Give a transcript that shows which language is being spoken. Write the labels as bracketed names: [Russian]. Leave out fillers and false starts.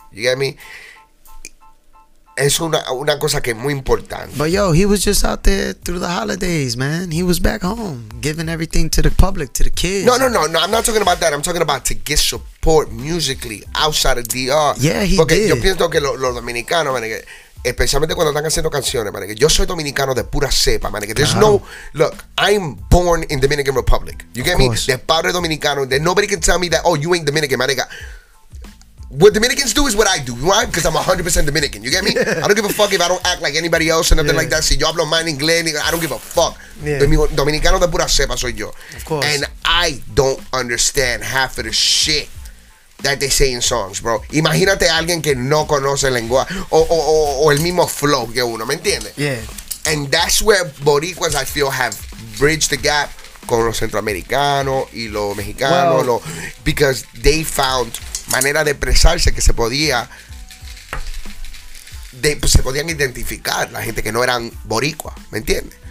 [English] You get me? [Spanish] Es una cosa que es muy importante. [English] But yo, he was just out there through the holidays, man. He was back home, giving everything to the public, to the kids. No, I'm not talking about that. I'm talking about to get support musically outside of DR. Yeah, he [Spanish] Porque [English] did. [Spanish] Yo pienso que los dominicanos, man, que, especialmente cuando están haciendo canciones, man, que yo soy dominicano de pura cepa, man, que [English] there's no... Look, I'm born in Dominican Republic. You get me? [Spanish] De padre dominicano. [English] Then nobody can tell me that, oh, you ain't Dominican, man. What Dominicans do is what I do. Why? Because I'm 100% Dominican. You get me? Yeah. I don't give a fuck if I don't act like anybody else or nothing like that. [Spanish] Si yo hablo mal inglés, [English] I don't give a fuck. [Spanish] Yeah. Dominicano de pura cepa soy yo. [English] Of course. And I don't understand half of the shit that they say in songs, bro. [Spanish] Imagínate alguien que no conoce el lenguaje o el mismo flow que uno, ¿me entiendes? [English] Yeah. And that's where boricuas, I feel, have bridged the gap [Spanish] con los centroamericanos y los mexicanos. [English] Well, because they found... [Spanish] manera de expresarse que se podía se podían identificar la gente que no eran boricua, ¿me entiendes?